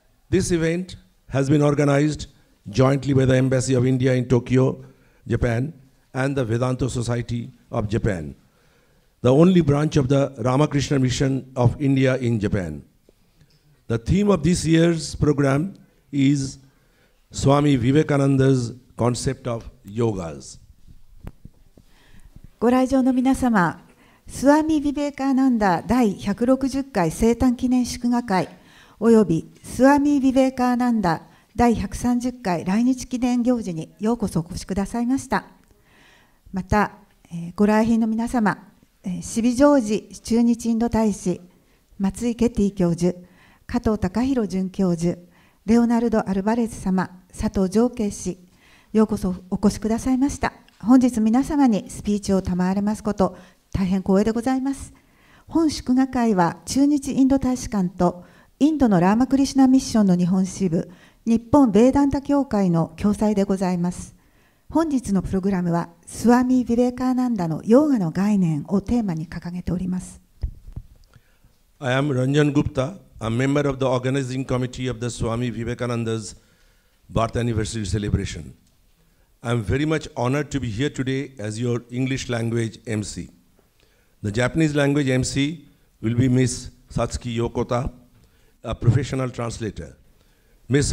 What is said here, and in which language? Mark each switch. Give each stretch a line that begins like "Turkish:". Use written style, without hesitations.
English: This event has been organized jointly by the Embassy of India in Tokyo, Japan, and the Vedanta Society of Japan, the only branch of the Ramakrishna Mission of India in Japan. The theme of this year's program is Swami Vivekananda's concept of yogas.
Japanese: ご来場の皆様、スワミ・ヴィヴェーカーナンダ第160回生誕記念祝賀会およびスワミ・ヴィヴェーカーナンダ第130回来日記念行事にようこそお越しくださいました。また、ご来賓の皆様、シビ・ジョージ駐日インド大使、松井ケティ教授、加藤隆博准教授、レオナルド・アルバレス様、佐藤常慶氏、ようこそお越しくださいました。本日皆様にスピーチを賜れますこと大変光栄でございます。本祝賀会は駐日インド大使館とインドのラーマクリシナミッションの日本支部日本ヴェーダンタ協会の共催でございます。本日のプログラムはスワミ・ヴィヴェーカーナンダのヨーガの概念をテーマに掲げております。
English: I am Ranjan Gupta, a member of the organizing committee of the Swami Vivekananda's birth anniversary celebration. I am very much honored to be here today as your English language MC. The Japanese language MC will be Ms. Satsuki Yokota, a professional translator. Ms.